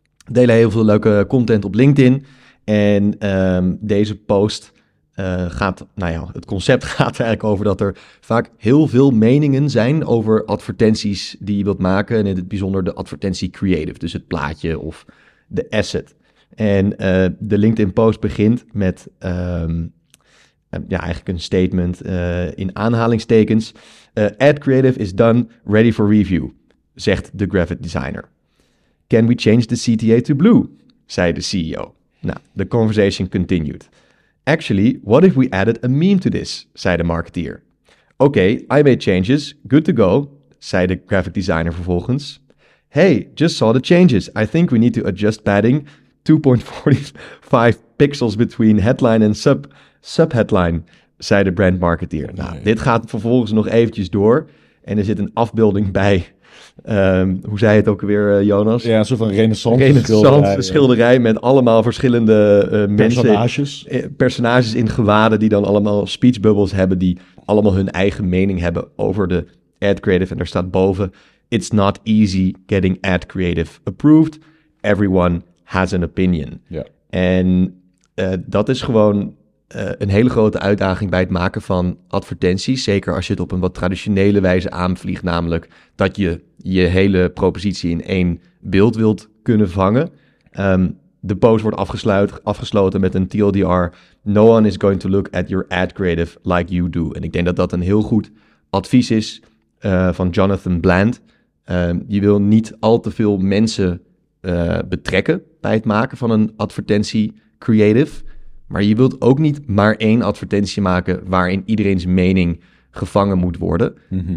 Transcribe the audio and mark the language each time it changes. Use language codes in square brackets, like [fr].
[nl] Delen heel veel leuke content op LinkedIn. En deze post gaat, nou ja, het concept gaat eigenlijk over dat er vaak heel veel meningen zijn over advertenties die je wilt maken. En in het bijzonder de advertentie creative, dus het plaatje of de asset. En de LinkedIn post begint met eigenlijk een statement in aanhalingstekens. [en] Ad creative is done, ready for review, [nl] zegt de [en] graphic designer. Can we change the CTA to blue? [nl] Zei de CEO. Nou, [en] the conversation continued. Actually, what if we added a meme to this? [nl] Zei de [en] marketeer. Okay, I made changes. Good to go, [nl] zei de graphic designer vervolgens. [en] Hey, just saw the changes. I think we need to adjust padding 2.45 pixels between headline and subheadline, [nl] zei de brand marketeer. Nou, dit gaat vervolgens nog eventjes door. En er zit een afbeelding bij. Hoe zei het ook weer, Jonas? Ja, een soort van renaissance schilderij met allemaal verschillende mensen. Personages in gewaden die dan allemaal speech bubbles hebben, die allemaal hun eigen mening hebben over de ad creative. En daar staat boven, [en] it's not easy getting ad creative approved. Everyone has an opinion. [nl] Ja. En dat is gewoon een hele grote uitdaging bij het maken van advertenties. Zeker als je het op een wat traditionele wijze aanvliegt. Namelijk dat je je hele propositie in één beeld wilt kunnen vangen. De post wordt afgesloten met een TLDR. [en] No one is going to look at your ad creative like you do. [nl] En ik denk dat dat een heel goed advies is van Jonathan Bland. Je wil niet al te veel mensen betrekken bij het maken van een advertentie creative. Maar je wilt ook niet maar één advertentie maken waarin iedereen's mening gevangen moet worden. Mm-hmm.